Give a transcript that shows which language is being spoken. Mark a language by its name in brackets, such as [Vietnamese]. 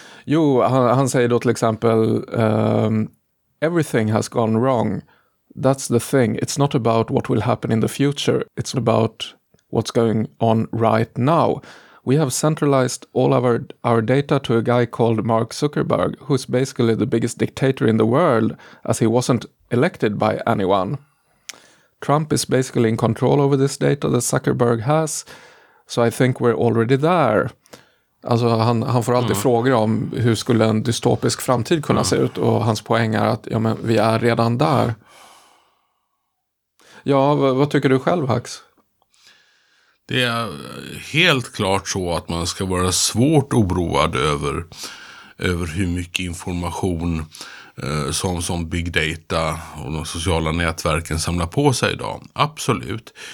[Swedish] Jo, han säger då till exempel [English] everything has gone wrong. That's the thing. It's not about what will happen in the future. It's about what's going on right now. We have centralized all of our data to a guy called Mark Zuckerberg, who's basically the biggest dictator in the world, as he wasn't elected by anyone. Trump is basically in control over this data that Zuckerberg has. So I think we're already there. [Swedish] Alltså han får alltid frågor om hur skulle en dystopisk framtid kunna se ut, och hans poäng är att ja, men vi är redan där. Ja, vad tycker du själv, Hax? Det är helt klart så att man ska vara svårt oroad över hur mycket information som big data och de sociala nätverken samlar på sig idag. Absolut.